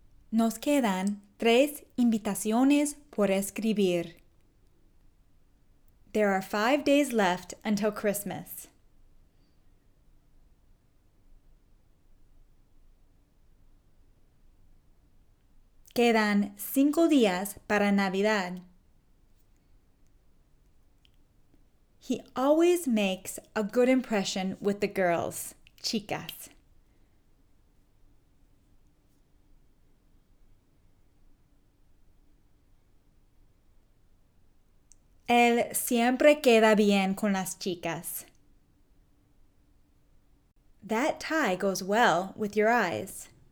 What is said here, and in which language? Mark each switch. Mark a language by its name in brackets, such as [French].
[Spanish] Nos quedan 3 invitaciones por escribir. [English] There are 5 days left until Christmas. [Spanish] Quedan 5 días para Navidad. [English] He always makes a good impression with the girls, chicas. [Spanish] Él siempre queda bien con las chicas. [English] That tie goes well with your eyes.